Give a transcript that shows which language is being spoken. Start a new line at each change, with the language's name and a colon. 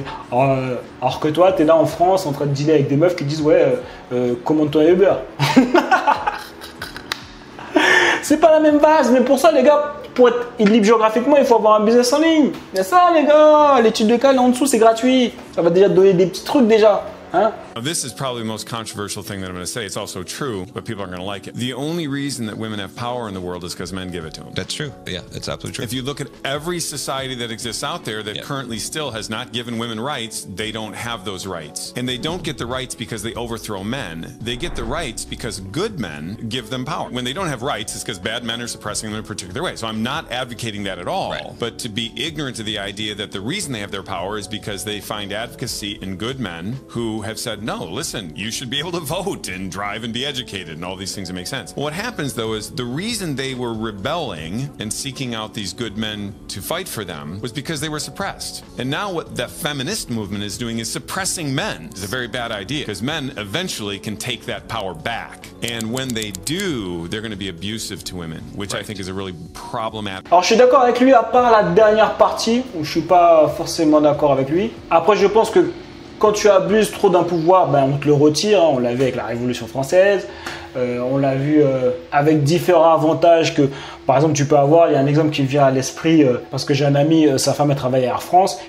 French: Alors que toi, t'es là en France en train de dîner avec des meufs qui disent ouais, commande-toi un Uber. C'est pas la même base, mais pour ça, les gars, pour être libre géographiquement, il faut avoir un business en ligne. C'est ça, les gars, l'étude de cas là en dessous, c'est gratuit. Ça va déjà te donner des petits trucs déjà. Hein?
English: This is probably the most controversial thing that I'm going to say. It's also true, but people aren't going to like it. The only reason that women have power in the world is because men give it to them. That's true. Yeah, it's absolutely true. If you look at every society that exists out there that currently still has not given women rights, they don't have those rights. And they don't get the rights because they overthrow men. They get the rights because good men give them power. When they don't have rights, it's because bad men are suppressing them in a particular way. So I'm not advocating that at all. Right. But to be ignorant of the idea that the reason they have their power is because they find advocacy in good men who have said, no, listen, you should be able to vote and drive and be educated and all these things that make sense. What happens, though, is the reason they were rebelling and seeking out these good men to fight for them was because they were suppressed. And now what the feminist movement is doing is suppressing men. It's a very bad idea because men eventually can take that power back. And when they do, they're going to be abusive to women, which right. I think is a really problematic.
French: Alors, je suis d'accord avec lui, à part la dernière partie où je suis pas forcément d'accord avec lui. Après, je pense que quand tu abuses trop d'un pouvoir, ben on te le retire. On l'a vu avec la Révolution française. On l'a vu avec différents avantages que, par exemple, tu peux avoir. Il y a un exemple qui me vient à l'esprit parce que j'ai un ami, sa femme, elle travaillait à Air France.